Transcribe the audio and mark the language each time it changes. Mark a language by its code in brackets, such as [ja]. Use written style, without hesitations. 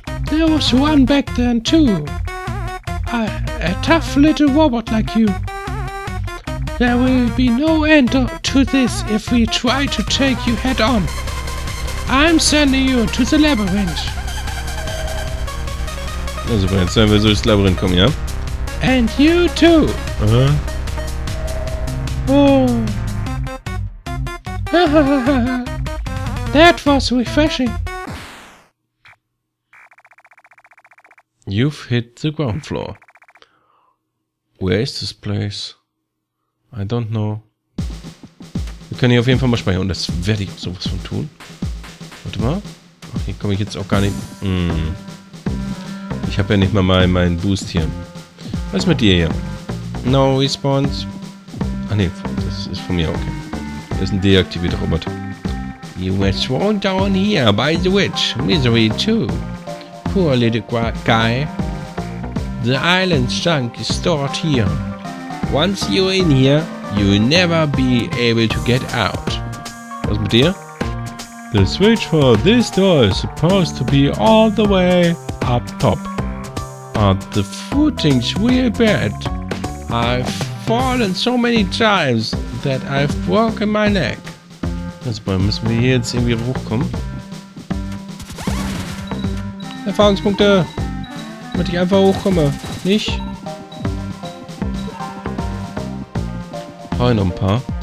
[en] There was one back then too. A tough little robot like you. There will be no end to this if we try to take you head on. I'm sending you to the labyrinth. [de] Also jetzt sollen wir so ins Labyrinth kommen, ja? [en] And you too. Uh-huh. Oh. That was refreshing. You've hit the ground floor. Where is this place? I don't know. [de] Wir können hier auf jeden Fall mal speichern und das werde ich sowas von tun. Warte mal. Ach, hier komme ich jetzt auch gar nicht. Ich habe ja nicht mal meinen Boost hier. Was ist mit dir hier? [en] No response. [de] Ah ne, das ist von mir, okay. Das ist ein deaktivierter Roboter. [en] You were thrown down here by the witch. Misery too. Poor little guy. The island's junk is stored here. Once you're in here, you'll never be able to get out. [de] Was ist mit dir? [en] The switch for this door is supposed to be all the way up top. But the footing's real bad. I've fallen so many times that I've broken my neck. [de] Also müssen wir hier jetzt irgendwie hochkommen. Erfahrungspunkte. Damit ich einfach hochkomme. Nicht? Brauche ich noch ein paar.